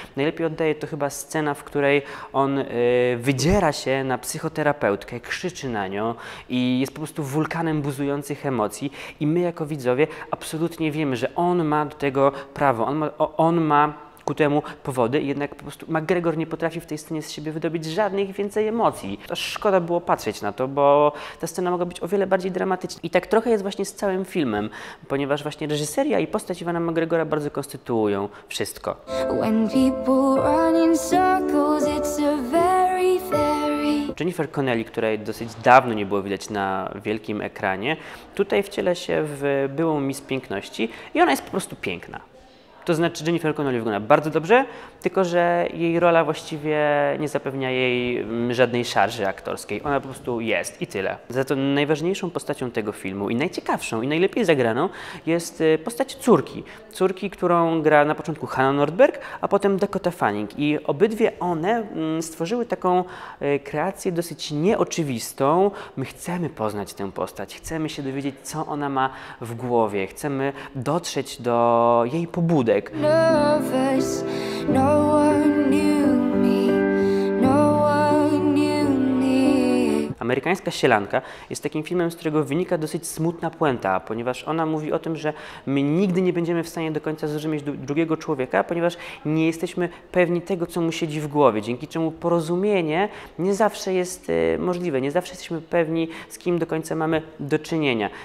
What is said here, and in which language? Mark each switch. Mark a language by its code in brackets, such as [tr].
[pl] Najlepiej oddaje to chyba scena, w której on wydziera się na psychoterapeutkę, krzyczy na nią i jest po prostu wulkanem buzujących emocji i my jako widzowie absolutnie wiemy, że on ma do tego prawo, on ma ku temu powody, jednak po prostu McGregor nie potrafi w tej scenie z siebie wydobyć żadnych więcej emocji. To szkoda było patrzeć na to, bo ta scena mogła być o wiele bardziej dramatyczna. I tak trochę jest właśnie z całym filmem, ponieważ właśnie reżyseria i postać Iwana McGregora bardzo konstytuują wszystko. [en] When people run in circles, it's a very, very... [pl] Jennifer Connelly, której dosyć dawno nie było widać na wielkim ekranie, tutaj wciela się w byłą Miss Piękności i ona jest po prostu piękna. To znaczy Jennifer Connelly wygląda bardzo dobrze, tylko że jej rola właściwie nie zapewnia jej żadnej szarży aktorskiej. Ona po prostu jest i tyle. Za to najważniejszą postacią tego filmu i najciekawszą i najlepiej zagraną jest postać córki. Córki, którą gra na początku Hannah Nordberg, a potem Dakota Fanning. I obydwie one stworzyły taką kreację dosyć nieoczywistą. My chcemy poznać tę postać, chcemy się dowiedzieć, co ona ma w głowie, chcemy dotrzeć do jej pobudy. [en] Nervous, no one knew me, no one knew me. [pl] Amerykańska Sielanka jest takim filmem, z którego wynika dosyć smutna puenta, ponieważ ona mówi o tym, że my nigdy nie będziemy w stanie do końca zrozumieć drugiego człowieka, ponieważ nie jesteśmy pewni tego, co mu siedzi w głowie, dzięki czemu porozumienie nie zawsze jest możliwe, nie zawsze jesteśmy pewni, z kim do końca mamy do czynienia.